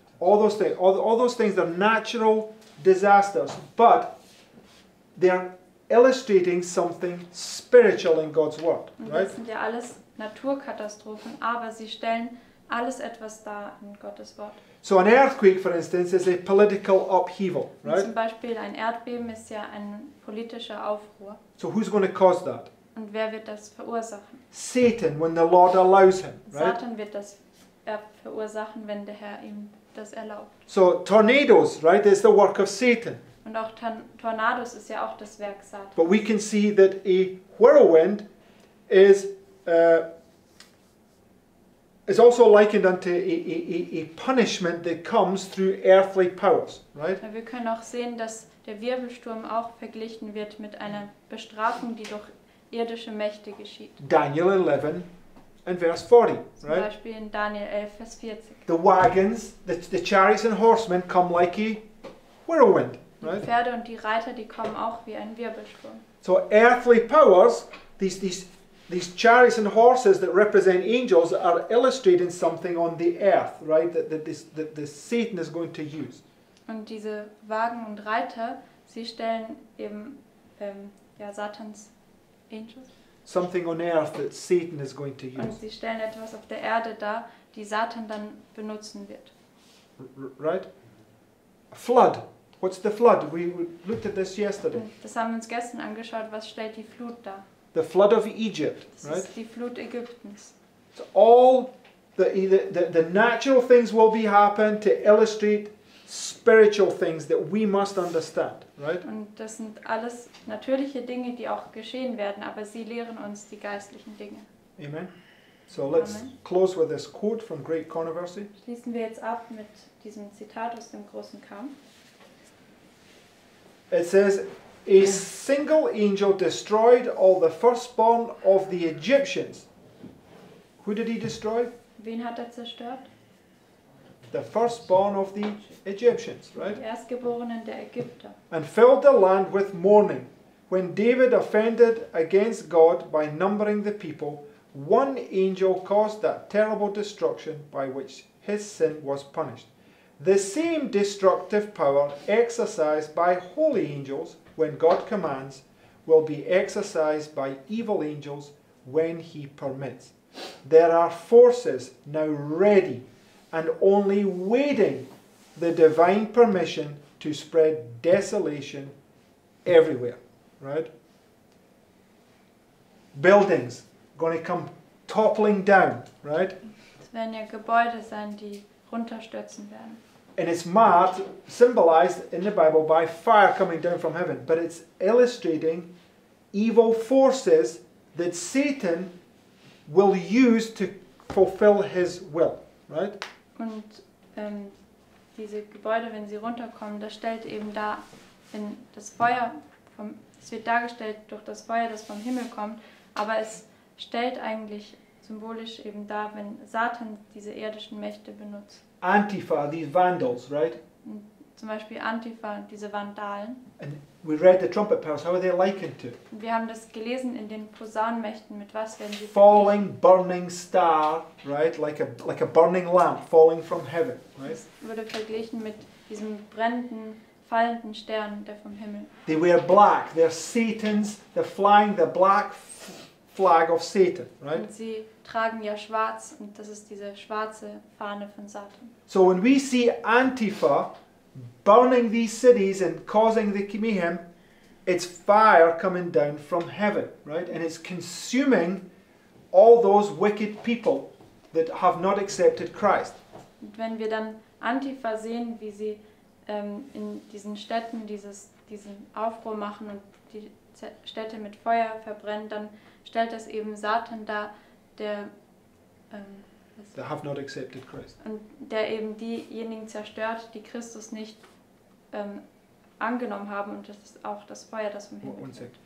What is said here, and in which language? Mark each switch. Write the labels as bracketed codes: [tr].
[en] All those things are natural disasters, but they are illustrating something spiritual in God's word, right? [de] Das sind ja alles Naturkatastrophen, aber sie stellen alles etwas dar in Gottes Wort. [en] So an earthquake, for instance, is a political upheaval, right? [de] Zum Beispiel ein Erdbeben ist ja ein politischer Aufruhr. [en] So who's going to cause that? [de] Und wer wird das verursachen? [en] Satan, when the Lord allows him, right? [de] Satan wird das verursachen, wenn der Herr ihm das erlaubt. [en] So tornadoes, right? It's the work of Satan. [de] Und auch Tornados ist ja auch das Werk Satans. [en] But we can see that a whirlwind is also likened unto a punishment that comes through earthly powers, right? [de] Wir können auch sehen, dass der Wirbelsturm auch verglichen wird mit einer Bestrafung, die durch irdische Mächte geschieht. [en] Daniel 11 and verse 40, right? [de] Zum Beispiel in Daniel 11, Vers 40. [en] The wagons, the chariots and horsemen come like a whirlwind, right? [de] Die Pferde und die Reiter, die kommen auch wie ein Wirbelsturm. [en] So earthly powers, these chariots and horses that represent angels are illustrating something on the earth, right? That Satan is going to use. [de] Und diese Wagen und Reiter, sie stellen eben Satans Angels. [en] Something on earth that Satan is going to use. [de] Und sie stellen etwas auf der Erde dar, die Satan dann benutzen wird. [en] Right? Flood. What's the flood? We looked at this yesterday. [de] Das haben wir uns gestern angeschaut. Was stellt die Flut dar? [en] The flood of Egypt, right? [de] Das ist die Flut Ägyptens. [en] So all the natural things will be happen to illustrate spiritual things that we must understand, right? [de] Und das sind alles natürliche Dinge, die auch geschehen werden, aber sie lehren uns die geistlichen Dinge. [en] Amen. So let's close with this quote from Great Controversy. [de] Schließen wir jetzt ab mit diesem Zitat aus dem großen Kampf. [en] It says, a single angel destroyed all the firstborn of the Egyptians. Who did he destroy? [de] Wen hat er zerstört? [en] The firstborn of the Egyptians, right? [de] Die Erstgeborenen der Ägypter. [en] And filled the land with mourning. When David offended against God by numbering the people, one angel caused that terrible destruction by which his sin was punished. The same destructive power exercised by holy angels when God commands, will be exercised by evil angels when he permits. There are forces now ready and only waiting the divine permission to spread desolation everywhere. Right? Buildings going to come toppling down. Right? [de] Es werden ja Gebäude sein, die runterstürzen werden. [en] And it's marked, symbolized in the Bible by fire coming down from heaven. But it's illustrating evil forces that Satan will use to fulfill his will, right? [de] Und diese Gebäude, wenn sie runterkommen, das stellt eben da, in das Feuer, es wird dargestellt durch das Feuer, das vom Himmel kommt, aber es stellt eigentlich symbolisch eben da, wenn Satan diese irdischen Mächte benutzt. [en] Antifa, these Vandals, right? [de] Zum Beispiel Antifa, diese Vandalen. [en] And we read the trumpet powers. How are they likened to? [de] Wir haben das gelesen in den Posaunenmächten. Mit was werden sie? [en] Falling, burning star, right? Like a burning lamp falling from heaven, right? [de] Das wurde verglichen mit diesem brennenden, fallenden Stern, der vom Himmel. [en] They wear black. They're Satan's. They're flying the black flag of Satan, right? [de] Und sie tragen ja schwarz, und das ist diese schwarze Fahne von Satan. [en] So when we see Antifa burning these cities and causing the mayhem, it's fire coming down from heaven, right? And it's consuming all those wicked people that have not accepted Christ. [de] Und wenn wir dann Antifa sehen, wie sie in diesen Städten diesen Aufruhr machen und die Städte mit Feuer verbrennen, dann stellt das eben Satan dar, [en] they have not accepted Christ. [de] Und der eben diejenigen zerstört, die Christus nicht angenommen haben, und das ist auch das Feuer, das vom Himmel kommt.